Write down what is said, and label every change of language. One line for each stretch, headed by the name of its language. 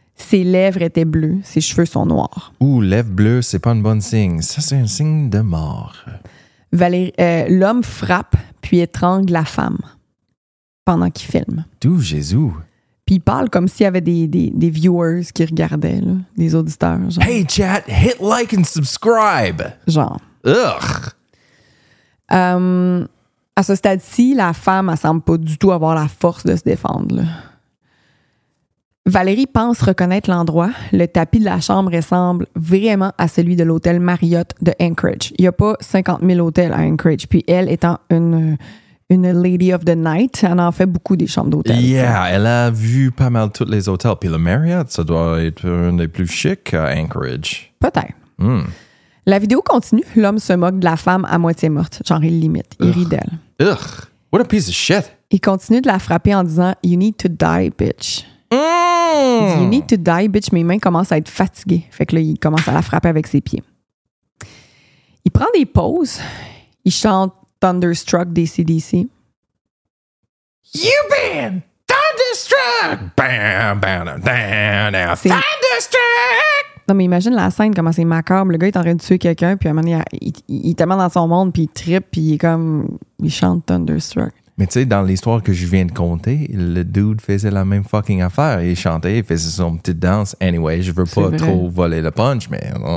French: Ses lèvres étaient bleues, ses cheveux sont noirs. Ouh, lèvres bleues, c'est pas un bon signe. Ça, c'est un signe de mort. L'homme frappe puis étrangle la femme. pendant qu'il filme. D'où Jésus? Puis il parle comme s'il y avait des viewers qui regardaient, là, des auditeurs. Genre.
English: Hey chat, hit like and subscribe!
French: Genre. Ugh! À ce stade-ci, la femme, elle semble pas du tout avoir la force de se défendre, là. Valérie pense reconnaître l'endroit. Le tapis de la chambre ressemble vraiment à celui de l'hôtel Marriott de Anchorage. Il n'y a pas 50 000 hôtels à Anchorage. Puis elle, étant une
English: lady of the night,
French: elle en fait beaucoup des chambres d'hôtel. Yeah, t'sais. Elle a vu pas mal tous les hôtels. Puis le Marriott, ça doit être un des plus chics à Anchorage. Peut-être. Mm. La vidéo continue. L'homme se moque de la femme à moitié morte. Genre, il l'imite. Il rit d'elle.
English: Ugh, what a piece of shit.
French: Il continue de la frapper en disant «
English: You need to die, bitch ». Mmh.
French: Il dit,
English: you need to die, bitch.
French: Mes mains commencent à être fatiguées. Fait que là, il commence à la frapper avec ses pieds. Il prend des pauses. Il chante Thunderstruck d'ACDC.
English: You've been Thunderstruck! Bam, bam, bam, bam, Thunderstruck!
French: Non, mais imagine la scène, comment c'est macabre. Le gars, il est en train de tuer quelqu'un, puis à un moment donné, il est tellement dans son monde, puis il trippe, puis il est comme, il chante Thunderstruck. Mais tu sais, dans l'histoire que je viens de conter, le dude faisait la même
English: fucking
French: affaire. Il chantait, il faisait son petite danse. Anyway, je veux pas trop voler le punch, mais...